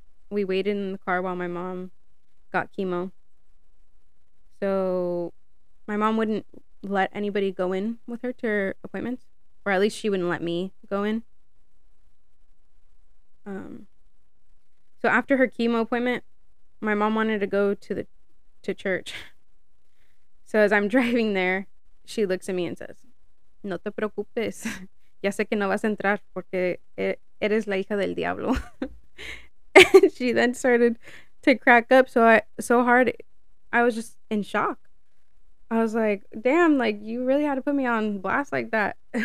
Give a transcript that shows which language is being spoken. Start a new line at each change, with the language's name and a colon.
English: We waited in the car while my mom got chemo. So my mom wouldn't let anybody go in with her to her appointments, or at least she wouldn't let me go in. So after her chemo appointment, my mom wanted to go to church. So as I'm driving there, she looks at me and says,
Spanish: no te preocupes. Ya sé que no vas a entrar porque eres la hija del diablo.
English: And she then started to crack up so hard, I was just in shock. I was like, damn, like, you really had to put me on blast like that.